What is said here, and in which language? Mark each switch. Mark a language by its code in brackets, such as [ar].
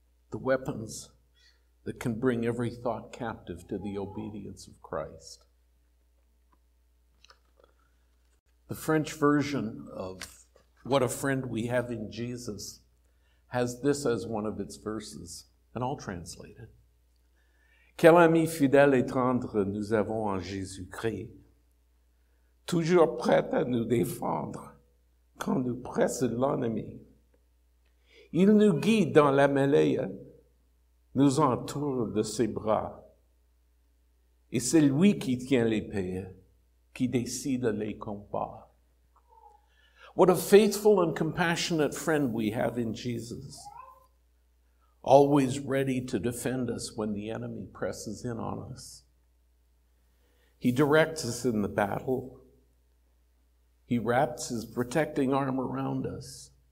[en] The weapons that can bring every thought captive to the obedience of Christ. The French version of What a Friend We Have in Jesus has this as one of its verses. And I'll translate it. [fr] Quel ami fidèle et tendre nous avons en Jésus-Christ, toujours prêt à nous défendre quand nous presse l'ennemi. Il nous guide dans la mêlée, nous entoure de ses bras, et c'est lui qui tient l'épée, qui décide les combats. [en] What a faithful and compassionate friend we have in Jesus. Always ready to defend us when the enemy presses in on us. He directs us in the battle. He wraps his protecting arm around us.